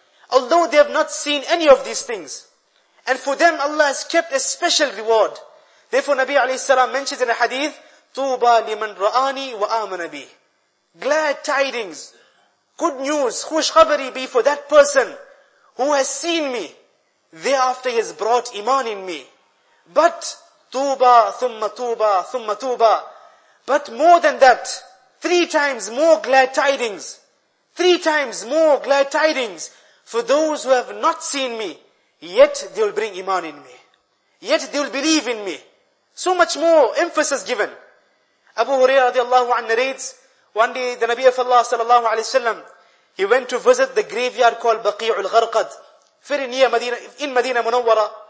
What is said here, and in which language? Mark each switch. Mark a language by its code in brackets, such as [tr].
[en] Although they have not seen any of these things. And for them Allah has kept a special reward. Therefore Nabi alayhi salam mentions in a hadith, [ar] طُوبَى لِمَنْ رَآنِي وَآمَنَ بِهِ. [en] Glad tidings, good news, [ur] خُوش خَبَرِي [en] be for that person who has seen me. Thereafter he has brought iman in me. But [ar] طُوبَى ثُمَّ طُوبَى ثُمَّ طُوبَى. [en] But more than that, three times more glad tidings. Three times more glad tidings for those who have not seen me, yet they will bring iman in me. Yet they will believe in me. So much more emphasis given. Abu Hurairah radiallahu anhu narrates, one day the Nabi of Allah sallallahu alayhi wa sallam, he went to visit the graveyard called Baqi'ul Gharqad, very near Medina, in Medina Munawwara.